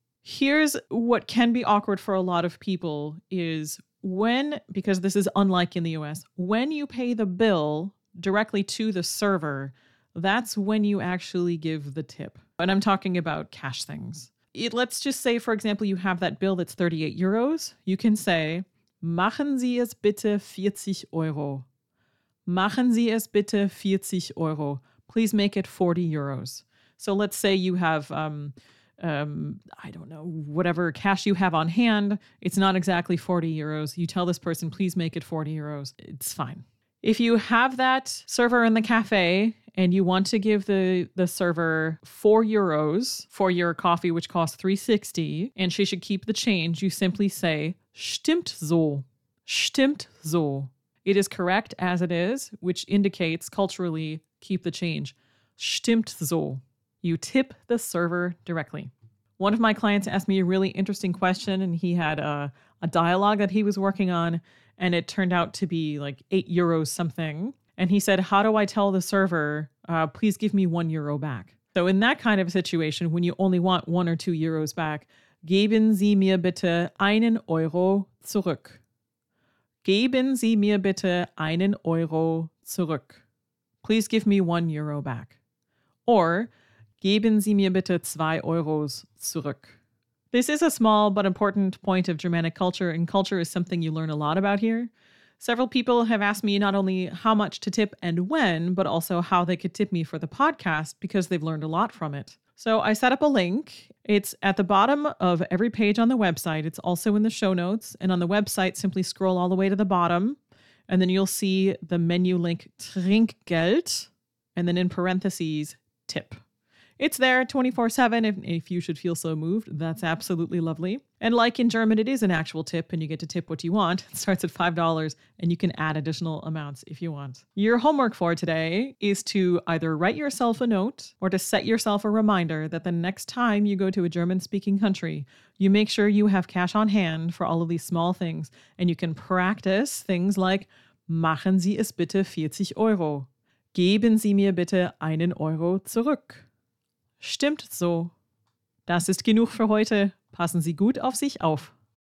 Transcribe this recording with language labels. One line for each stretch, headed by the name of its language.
English: Here's what can be awkward for a lot of people is when, because this is unlike in the US, when you pay the bill directly to the server, that's when you actually give the tip. And I'm talking about cash things. Let's just say, for example, you have that bill that's 38 euros. You can say,
German: machen Sie es bitte 40 Euro. Machen Sie es bitte 40 Euro.
English: Please make it 40 euros. So let's say you have, I don't know, whatever cash you have on hand. It's not exactly 40 euros. You tell this person, please make it 40 euros. It's fine. If you have that server in the cafe and you want to give the server 4 euros for your coffee, which costs 3.60, and she should keep the change, you simply say,
German: stimmt so, stimmt so.
English: It is correct as it is, which indicates culturally, keep the change,
German: stimmt so.
English: You tip the server directly. One of my clients asked me a really interesting question, and he had a dialogue that he was working on, and it turned out to be like 8 euros something. And he said, how do I tell the server, please give me 1 euro back? So in that kind of situation, when you only want 1 or 2 euros back,
German: geben Sie mir bitte einen Euro zurück. Geben Sie mir bitte einen Euro zurück.
English: Please give me 1 euro back.
German: Or geben Sie mir bitte 2 euros zurück.
English: This is a small but important point of Germanic culture, and culture is something you learn a lot about here. Several people have asked me not only how much to tip and when, but also how they could tip me for the podcast because they've learned a lot from it. So I set up a link. It's at the bottom of every page on the website. It's also in the show notes. And on the website, simply scroll all the way to the bottom, and then you'll see the menu link Trinkgeld, and then in parentheses, tip. It's there 24/7. If you should feel so moved, that's absolutely lovely. And like in German, it is an actual tip and you get to tip what you want. It starts at $5 and you can add additional amounts if you want. Your homework for today is to either write yourself a note or to set yourself a reminder that the next time you go to a German-speaking country, you make sure you have cash on hand for all of these small things and you can practice things like
German: machen Sie es bitte 40 Euro. Geben Sie mir bitte einen Euro zurück. Stimmt so. Das ist genug für heute. Passen Sie gut auf sich auf.